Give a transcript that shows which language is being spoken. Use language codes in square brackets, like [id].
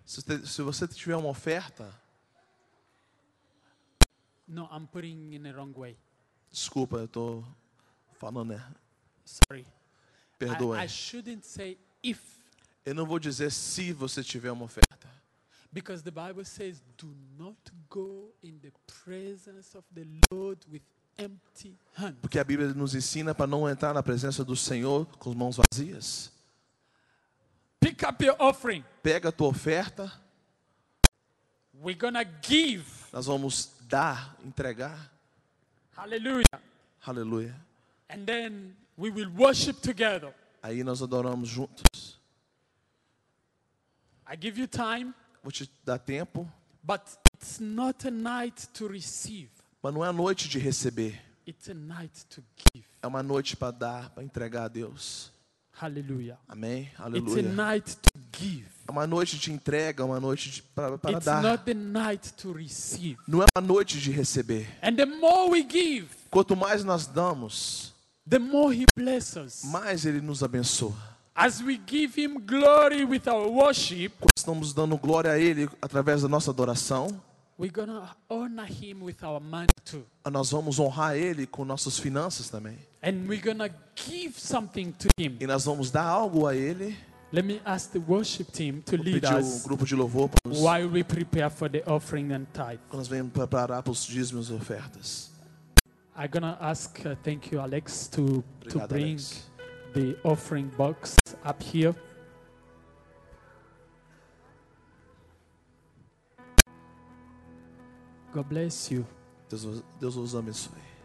[pt] se você tiver uma oferta, [en] No, I'm putting in the wrong way. [pt] Desculpa, eu tô falando né? [en] Sorry. [pt] Perdoe. [en] I shouldn't say if. [pt] Eu não vou dizer se você tiver uma oferta. [en] Because the Bible says, do not go in the presence of the Lord with empty hands. [pt] Porque a Bíblia nos ensina para não entrar na presença do Senhor com as mãos vazias. [en] Pick up your offering. [pt] Pega a tua oferta. [en] We're gonna give. [pt] Nós vamos dar, entregar. [en] Hallelujah. [pt] Hallelujah. [en] And then we will worship together. [pt] Aí nós adoramos juntos. [en] I give you time. [pt] Vou te dar tempo. [en] But it's not a night to receive. [pt] Mas não é a noite de receber. [en] It's a night to give. [pt] É uma noite para dar, para entregar a Deus. [en] Hallelujah. [pt] Amém. Hallelujah. [en] It's a night to give. [pt] É uma noite de entrega, uma noite para dar. [en] It's not the night to receive. [pt] Não é uma noite de receber. [en] And the more we give, [pt] quanto mais nós damos, [en] the more he blesses. [pt] Mais ele nos abençoa. [en] As we give him glory with our worship, [pt] quando estamos dando glória a ele através da nossa adoração, [en] we're gonna honor him with our money too. [pt] Nós vamos honrar ele com nossas finanças também. [en] And we're gonna give something to him. [pt] E nós vamos dar algo a ele. [en] Let me ask the worship team to lead [pt] us. Pedir o grupo de louvor para nos. [en] While we prepare for the offering and tithe. [pt] Quando nós vamos preparar para os dízimos e ofertas. [en] I'm gonna ask, thank you, Alex, to bring Alex. The offering box up here. God bless you. [pt] Deus os abençoe.